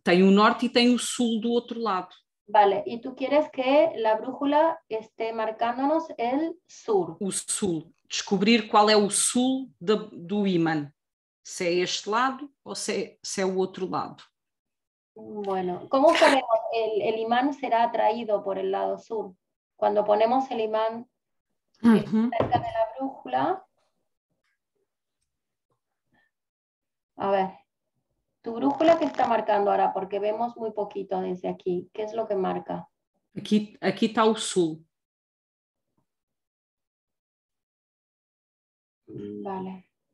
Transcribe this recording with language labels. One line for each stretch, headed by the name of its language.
Portuguese: Tem o norte e tem o sul do outro lado.
Spanish: Vale,
Portuguese: e tu queres
Spanish: que la brújula esté marcando-nos el sur?
Portuguese: O sul. Descobrir qual é o sul do ímã. Se é este lado ou se é o outro lado.
Spanish: Bueno, como sabemos el imán será atraído por el lado sur? Quando ponemos el imán cerca de la brújula. A ver, tu brújula que está marcando
Portuguese: agora,
Spanish: porque vemos
Portuguese: muito pouquito
Spanish: desde aqui.
Portuguese: O que é o que marca? Aqui está o sul.
Spanish: Vale.